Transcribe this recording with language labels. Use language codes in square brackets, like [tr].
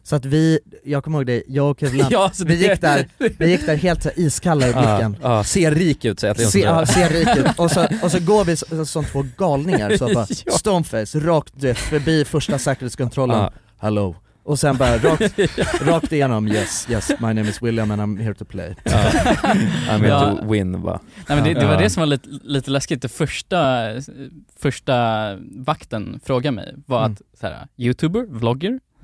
[sv] Så att vi, jag kommer ihåg det, jag och Kevin, vi gick där helt iskalla i blicken. Ja, ser rik ut, säger jag till Jonsson. Ser rik ut. Och så går vi som två galningar, så bara [en] stone face, [sv] rakt dött, förbi första säkerhetskontrollen. Hello. Och sen bara rakt igenom. [en] Yes, my name is William and I'm here to play. I'm here to win, va? [sv] Nej, men det var det som var lite läskigt. Det första vakten frågade mig var att så här, YouTuber, vlogger?